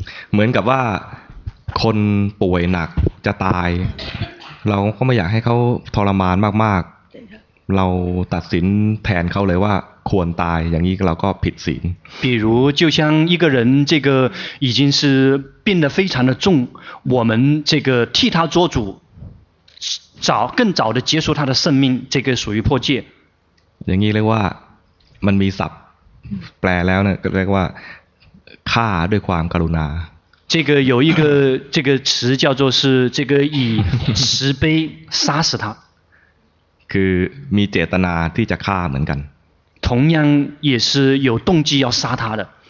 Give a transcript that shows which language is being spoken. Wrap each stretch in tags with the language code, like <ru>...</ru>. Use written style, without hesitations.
<th>เหมือนกับว่าคนป่วยหนักจะตายเราก็ไม่อยากให้เขาทรมานมากๆเราตัดสินแทนเขาเลยว่าควรตายอย่างนี้เราก็ผิดศีล</th> <zh>比如就像一个人这个已经是病得非常的重我们这个替他做主早更早的结束他的生命这个属于破戒</zh> <th>อย่างนี้เรียกว่ามันมีศัพท์แปลแล้วเนี่ยก็เรียกว่าฆ่าด้วยความกรุณา</th> <zh>这个有一个这个词叫做是这个以慈悲杀死他</zh> <th>คือมีเจตนาที่จะฆ่าเหมือนกัน</th> <zh>同样也是有动机要杀他的</zh>